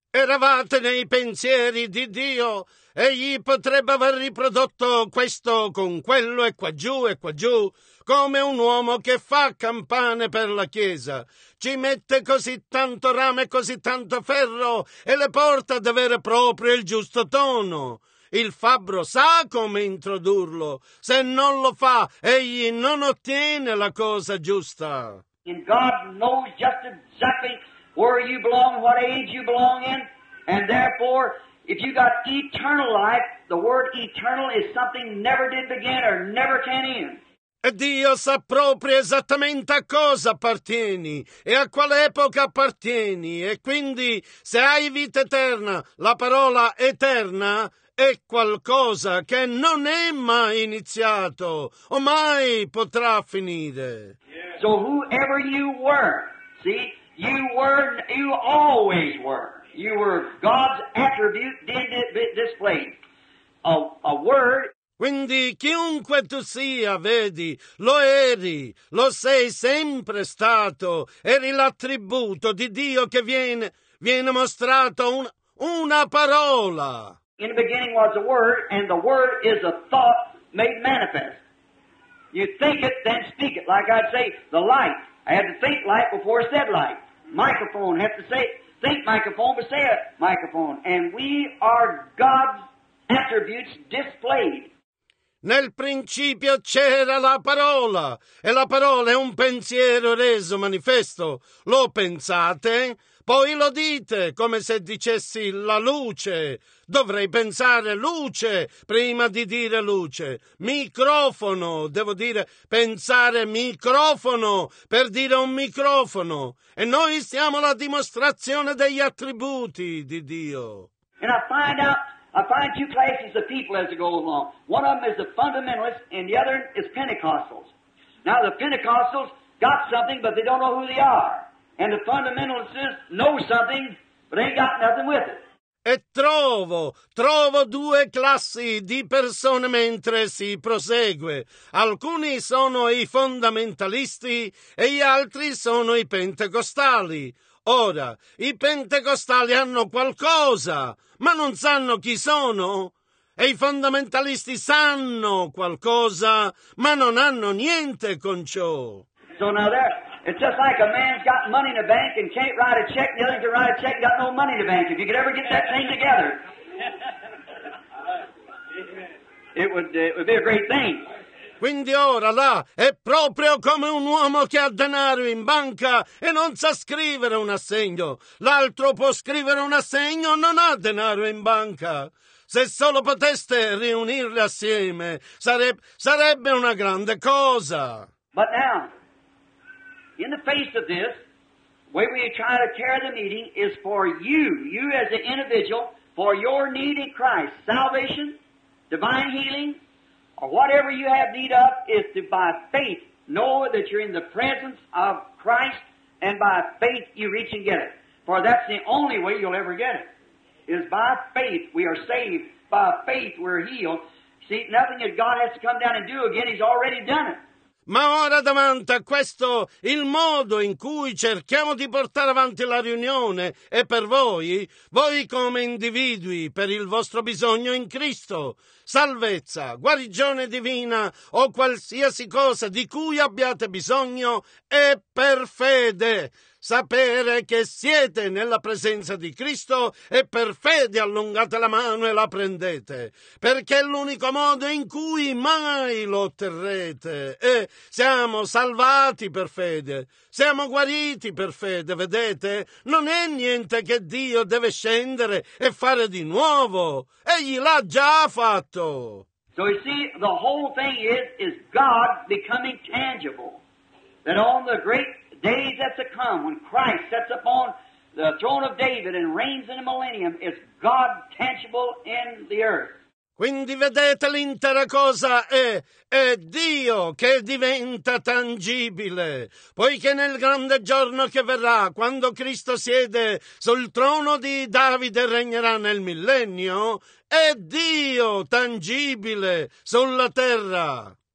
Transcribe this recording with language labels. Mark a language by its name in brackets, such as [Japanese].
[Italian] Eravate nei pensieri di Dio. Egli potrebbe aver riprodotto questo con quello e qua giù, come un uomo che fa campane per la chiesa. Ci mette così tanto rame e così tanto ferro e le porta ad avere proprio il giusto tono. Il fabbro sa come introdurlo. Se non lo fa, egli non ottiene la cosa giusta. [English] And God knows just exactly where you belong, what age you belong in. And therefore, if you got eternal life, the word eternal is something never did begin or never can end. [Italian] E Dio sa proprio esattamente a cosa appartieni e a quale epoca appartieni. E quindi, se hai vita eterna, la parola eterna è qualcosa che non è mai iniziato o mai potrà finire. [English] So whoever you were, see, you always were. You were God's attribute displayed. A word. [Italian] Quindi chiunque tu sia, vedi, lo eri, lo sei sempre stato. Eri l'attributo di Dio che viene mostrato una parola. [English] In the beginning was the Word, and the Word is a thought made manifest. You think it, then speak it. Like I'd say, the light. I had to think light before I said light. Microphone, I have to say, think microphone, but say it, microphone. And we are God's attributes displayed. [Italian] Nel principio c'era la parola, e la parola è un pensiero reso manifesto. Lo pensate? Poi lo dite come se dicessi la luce. Dovrei pensare luce prima di dire luce. Microfono, devo dire pensare microfono per dire un microfono. E noi siamo la dimostrazione degli attributi di Dio. [English] And I find two classes of people as I go along. One of them is the fundamentalists and the other is Pentecostals. Now the Pentecostals got something, but they don't know who they are. And the fundamentalists know something, but ain't got nothing with it. [Italian] E trovo due classi di persone mentre si prosegue. Alcuni sono i fondamentalisti e gli altri sono i pentecostali. Ora, i pentecostali hanno qualcosa, ma non sanno chi sono. E i fondamentalisti sanno qualcosa, ma non hanno niente con ciò. [English] So now there, it's just like a man's got money in a bank and can't write a check, and the other can write a check and got no money in the bank. If you could ever get that thing together, it would be a great thing. [Italian] Quindi ora là è proprio come un uomo che ha denaro in banca e non sa scrivere un assegno. L'altro può scrivere un assegno, non ha denaro in banca. Se solo poteste riunirli assieme, sarebbe una grande cosa. [English] But now, in the face of this, the way we try to carry the meeting is for you, you as an individual, for your need in Christ, salvation, divine healing, or whatever you have need of, is to by faith know that you're in the presence of Christ, and by faith you reach and get it. For that's the only way you'll ever get it, is by faith we are saved, by faith we're healed. See, nothing that God has to come down and do again, He's already done it. [Italian] Ma ora davanti a questo, il modo in cui cerchiamo di portare avanti la riunione è per voi come individui, per il vostro bisogno in Cristo, salvezza, guarigione divina o qualsiasi cosa di cui abbiate bisogno, è per fede. Sapere che siete nella presenza di Cristo e per fede allungate la mano e la prendete, perché è l'unico modo in cui mai lo otterrete. E siamo salvati per fede, siamo guariti per fede, vedete? Non è niente che Dio deve scendere e fare di nuovo. Egli l'ha già fatto. [English] So you see, the whole thing is God becoming tangible. That on the great days that's to come, when Christ sets upon the throne of David and reigns in the millennium, it's God tangible in the earth. [Italian] Quindi vedete, l'intera cosa è Dio che diventa tangibile, poiché nel grande giorno che verrà, quando Cristo siede sul trono di Davide e regnerà nel millennio, è Dio tangibile sulla terra.